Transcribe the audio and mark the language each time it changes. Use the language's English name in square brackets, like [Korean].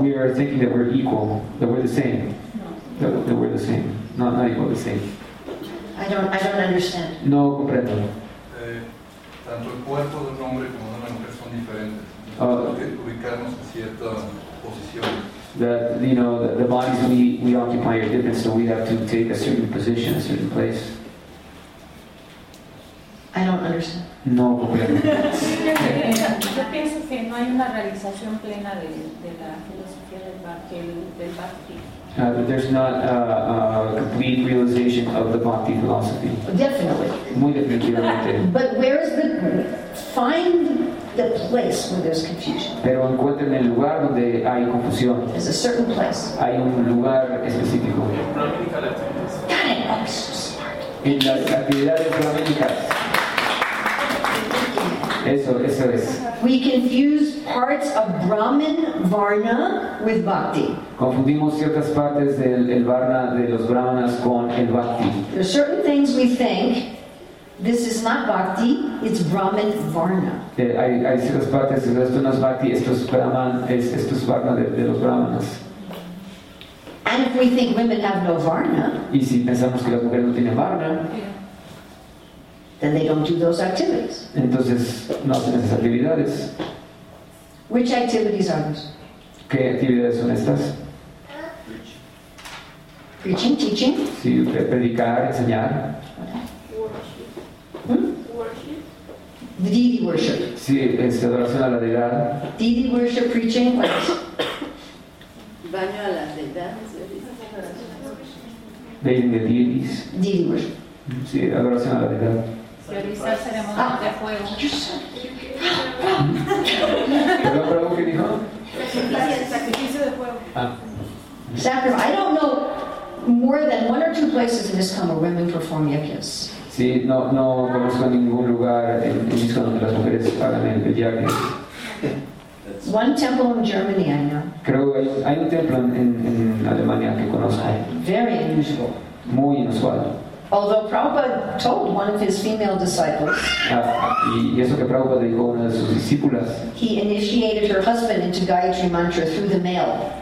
[English] We are thinking that we're equal, that we're the same. That we're the same, not equal, the same. I don't understand. [Spanish] No comprendo. Tanto el cuerpo de un hombre como de una mujer son diferentes. Ubicarnos en cierta posición. [English] That you know the bodies we occupy are different, so we have to take a certain position, a certain place. I don't understand. [Spanish] No comprendo. Yo pienso que no hay una realización plena de la filosofía del bhakti. [English] But there's not a complete realization of the bhakti philosophy. Definitely. [Spanish] Muy definitivamente. [English] But where is the... Find the place where there's confusion. [Spanish] Pero encuentren el lugar donde hay confusión. [English] There's a certain place. [Spanish] Hay un lugar específico. [English] God, I'm so smart. [Spanish] En las actividades prácticas. Eso es. [English] We confuse parts of Brahman Varna with Bhakti. [Spanish] Confundimos ciertas partes del Varna de los Brahmanas con el Bhakti. [English] There are certain things we think this is not Bhakti, it's Brahman Varna. [Spanish] Hay ciertas partes, esto no es Bhakti, esto es Varna de los Brahmanas. [English] And if we think women have no Varna, [Spanish] y si pensamos que las mujeres no tienen Varna, [English] then they don't do those activities. [Spanish] Entonces, no hacen esas actividades. [English] Which activities are those? [Spanish] ¿Qué actividades son estas? [English] Preaching, teaching. [Spanish] Sí, predicar, enseñar. [English] Worship. Deity worship. [Spanish] Sí, es adoración a la deidad. [English] Deity worship, preaching. [Spanish] Baño a la deidad. [English] Bathing the deities. Deity worship. [Spanish] Sí, adoración a la deidad. Realizar ceremonias de fuego. ¿Perdón, qué dijo? Sacrificio de fuego. [English] Sacrifice. I don't know more than one or two places in Iskcon where women perform yakis. [Spanish] Sí, no conozco ningún lugar en Iskcon donde las mujeres hagan el yakis. [English] One temple in Germany, I know. [Spanish] Creo que hay un templo en Alemania que conozco. [English] Very unusual. [Spanish] Muy inusual. [English] Yeah. Although Prabhupada told one of his female disciples, [Spanish] y eso que Prabhupada dijo a una de sus discípulas, [English] he initiated her husband into Gayatri Mantra through the mail.